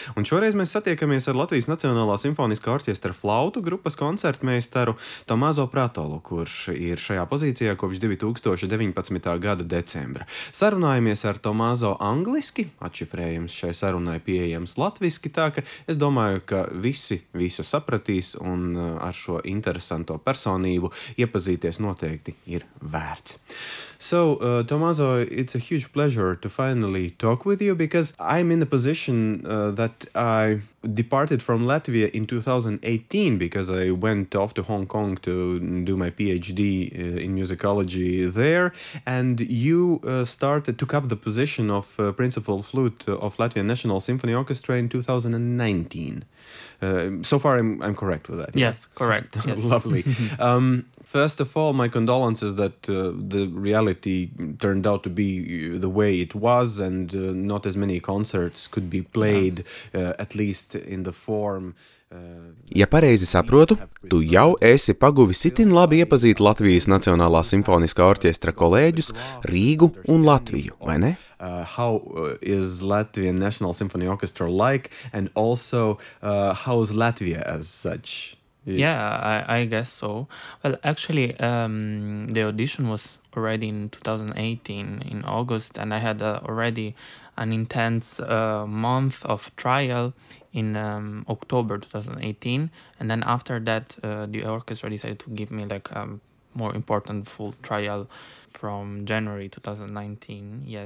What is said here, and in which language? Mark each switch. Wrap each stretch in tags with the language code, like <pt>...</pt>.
<lv>Un šoreiz mēs satiekamies ar Latvijas Nacionālā simfoniskā orķestra flautu grupas koncertmeistaru Tommāso Pratolu, kurš ir šajā pozīcijā kopš 2019. Gada decembra. Sarunājamies ar Tommāso angliski, atšifrējums šai sarunai pieejams latviski, tā ka es domāju, ka visi visu sapratīs un ar šo interesanto personību iepazīties noteikti ir vērts.</lv> <en>So, Tommaso, it's a huge pleasure to finally talk with you because I'm in a position that I departed from Latvia in 2018 because I went off to Hong Kong to do my PhD in musicology there, and you started took up the position of principal flute of Latvian National Symphony Orchestra in 2019. So far, I'm correct with that. Yes, yeah? Correct. So, yes. Lovely. First of all, my condolences that the reality turned out to be the way it was and not as many concerts could be played, at least in the form.</en> <lv>Ja pareizi saprotu, tu jau esi paguvis itin labi iepazīt Latvijas Nacionālā simfoniskā orķestra kolēģus, Rīgu un Latviju, vai ne?</lv> <en>How is Latvian National Symphony Orchestra like and also how is Latvia as such? Yeah, I guess so. Well, actually, the audition was already in 2018 in August, and I had already an intense month of trial in October 2018, and then after that, the orchestra decided to give me like a more important full trial from January 2019.</en>